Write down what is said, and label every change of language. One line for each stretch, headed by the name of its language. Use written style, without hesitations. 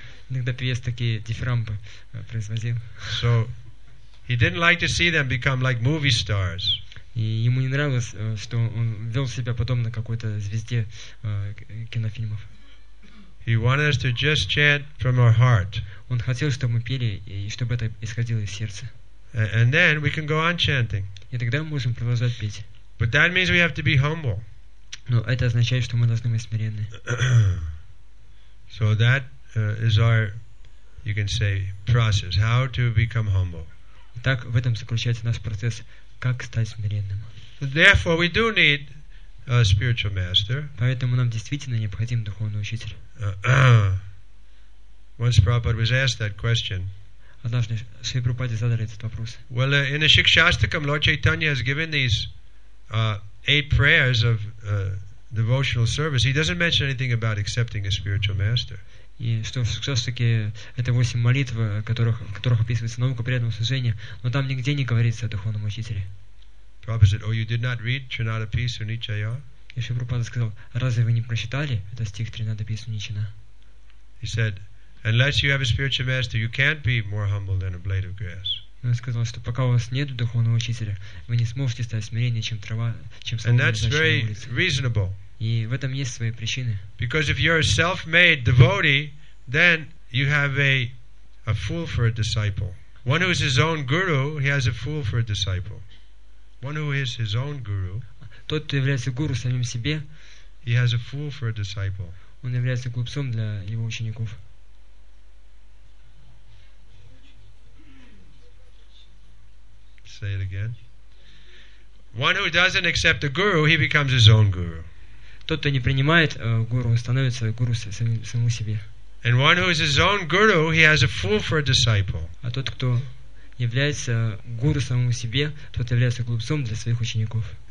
Russian: Иногда певец такие дифирамбы производил.
English: So, he didn't like to see them become like movie stars.
Russian: И ему не нравилось, что он вел себя подобно какой-то звезде кинофильмов.
English: He wanted us to just chant from our heart.
Russian: Он хотел, чтобы мы пели, и чтобы это исходило из сердца.
English: And then we can go on chanting.
Russian: И тогда мы можем продолжать петь.
English: But that means we have to be humble.
Russian: Но это означает, что мы должны быть смиренны.
English: So that is our, you can say, process, how to become humble.
Russian: Итак, в этом заключается наш процесс, как стать смиренным.
English: Therefore, we do need a spiritual master.
Russian: Поэтому нам действительно необходим духовный учитель.
English: Once Prabhupada was asked that question.
Russian: Однажды Шри Прабхупаде задали этот вопрос.
English: Well, in the Shikshastakam, Lord Chaitanya has given these eight prayers of devotional service. He doesn't mention anything about accepting a spiritual master.
Russian: И что в Шикшастаке это восемь молитв, которых описывается наука преданного служения, но там нигде не говорится о духовном учителе.
English: Prabhupada said, "Oh, you did not read Trinadapisu Nichaya?"
Russian: И Шри Прабхупада сказал, разве вы не прочитали этот стих Тринадапису Ничина?
English: He said. Unless you have a spiritual master, you can't be more humble than a blade of grass.
Russian: Он сказал, что пока у вас нет духовного учителя, вы не сможете стать смиреннее, чем трава, чем солнце.
English: And that's very reasonable.
Russian: И в этом есть свои причины.
English: Because if you're a self-made devotee, then you have a fool for a disciple. One who is his own guru, he has a fool for a disciple. One who is his own guru,
Russian: тот, кто является гуру самим себе,
English: he has a fool for a disciple.
Russian: Он является глупцом для его учеников.
English: Say it again. One who doesn't accept a guru, he becomes his own guru.
Russian: Тот, кто не принимает гуру, становится гуру самому себе.
English: And one who is his own guru, he has a fool for a disciple.
Russian: А тот, кто является гуру самому себе, тот является глупцом для своих учеников.